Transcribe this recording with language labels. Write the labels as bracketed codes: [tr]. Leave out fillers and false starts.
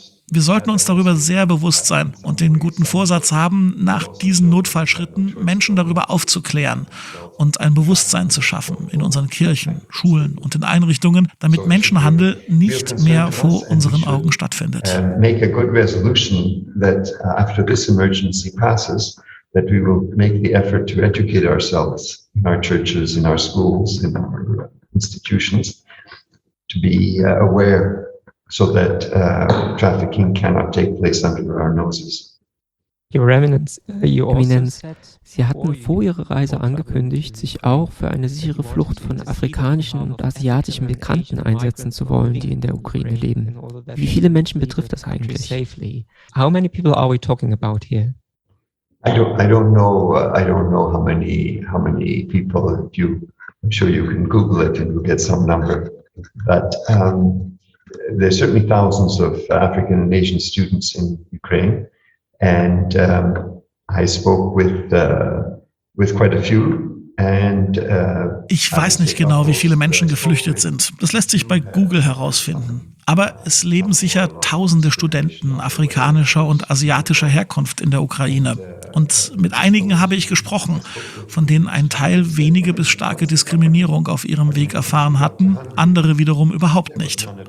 [de] Wir sollten uns darüber sehr bewusst sein und den guten Vorsatz haben, nach diesen Notfallschritten Menschen darüber aufzuklären und ein Bewusstsein zu schaffen in unseren Kirchen, Schulen und in Einrichtungen, damit Menschenhandel nicht mehr vor unseren Augen stattfindet. [en] Make a good resolution that after this emergency passes, that we will make the effort to educate ourselves in our churches, in our schools, in our institutions, to be aware so that trafficking cannot take place under our noses. Your Eminence, Your Eminence, [de] Sie hatten vor Ihrer Reise angekündigt, sich auch für eine sichere Flucht von afrikanischen und asiatischen Migranten einsetzen zu wollen, die in der Ukraine leben. Wie viele Menschen betrifft das eigentlich? [en] How many people are we talking about here? I don't know how many people. I'm sure you can Google it and you'll get some number, but there's certainly thousands of African and Asian students in Ukraine, and I spoke with quite a few. And [de] ich weiß nicht genau, wie viele Menschen geflüchtet sind. Das lässt sich bei Google herausfinden. Aber es leben sicher tausende Studenten afrikanischer und asiatischer Herkunft in der Ukraine. Und mit einigen habe ich gesprochen, von denen ein Teil wenige bis starke Diskriminierung auf ihrem Weg erfahren hatten, andere wiederum überhaupt nicht.